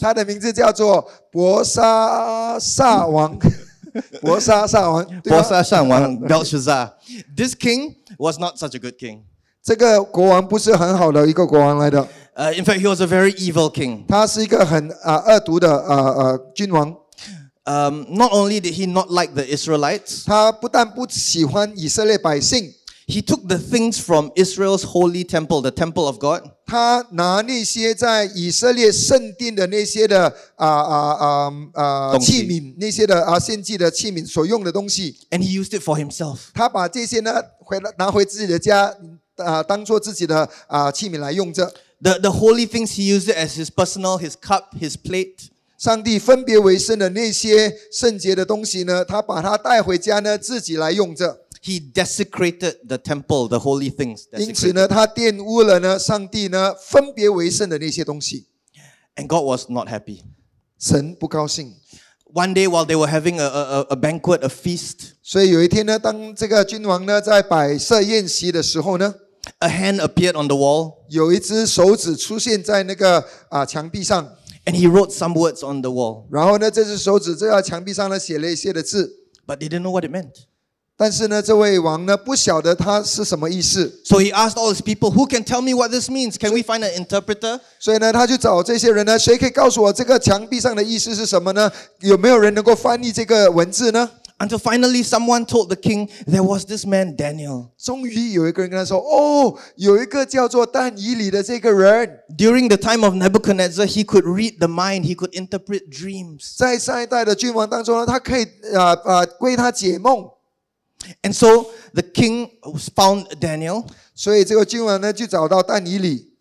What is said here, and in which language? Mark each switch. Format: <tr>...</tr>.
<zh>他的名字叫做伯沙撒王。伯沙撒王。伯沙撒王 Belshazzar.</zh> <en>This king was not such a good king.</en> <zh>这个国王不是很好的一个国王来的。</zh> <en>In fact, he was a very evil king.</en> <zh>他是一个很恶毒的君王。</zh> <en>Not only did he not like the Israelites,</en> <zh>他不但不喜欢以色列百姓，</zh> <en>he took the things from Israel's holy temple, the temple of God.</en> <zh>他拿那些在以色列圣殿的那些的器皿，那些的献祭的器皿所用的东西，</zh> <en>and he used it for himself.</en> <zh>他把这些呢拿回自己的家，当做自己的器皿来用着。</zh> <en>The holy things he used it as his personal, his cup, his plate.</en> <zh>上帝分别为圣的那些圣洁的东西呢，他把它带回家呢，自己来用着。</zh> <en>He desecrated the temple, the holy things.</en> <zh>因此呢，他玷污了呢，上帝呢分别为圣的那些东西。</zh> <en>And God was not happy.</en> <zh>神不高兴。</zh> <en>One day while they were having a banquet, a feast.</en> <zh>所以有一天呢，当这个君王呢在摆设宴席的时候呢。</zh> <en>A hand appeared on the wall.</en> <zh>有一只手指出现在那个墙壁上。</zh> <en>And he wrote some words on the wall.</en> <zh>然后呢，这只手指在墙壁上呢写了一些的字。</zh> <en>But they didn't know what it meant.</en> <zh>但是呢，这位王呢不晓得他是什么意思。</zh> <en>So he asked all his people, "Who can tell me what this means? Can we find an interpreter?"</en> <zh>所以呢，他就找这些人呢，谁可以告诉我这个墙壁上的意思是什么呢？有没有人能够翻译这个文字呢？</zh> <en>Until finally, someone told the king there was this man Daniel.</en> <zh>终于有一个人跟他说，哦，有一个叫做但以理的这个人。</zh> <en>During the time of Nebuchadnezzar, he could read the mind, he could interpret dreams.</en> <zh>在上一代的君王当中呢，他可以为他解梦。</zh> <en>And so the king found Daniel.</en> <zh>所以这个君王呢就找到但以理。</zh>